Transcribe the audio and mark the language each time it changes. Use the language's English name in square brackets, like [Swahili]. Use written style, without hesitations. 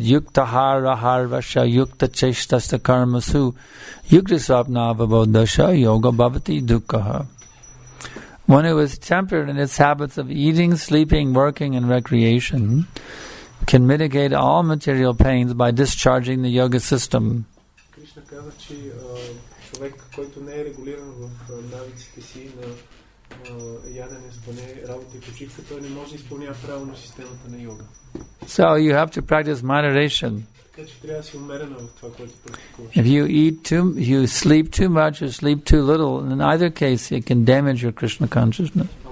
[Sanskrit] Yukta har rahar vasha yukta cheshtasta karmasu yukta svapna avabodasha yoga bhavati dukkaha. [English] One who is temperate in his habits of eating, sleeping, working, and recreation, can mitigate all material pains by discharging the yoga system. [Bulgarian] Krishna каза, че човек, който не е регулиран в навиците си на ядене, спане, работа и почивка, той не може да изпълнява правилно системата на йога. [English] So you have to practice moderation. [Bulgarian] Така че трябва да си умерен в това, което практикуваш. [English] If you eat too, you sleep too much or sleep too little, in either case it can damage your Krishna consciousness.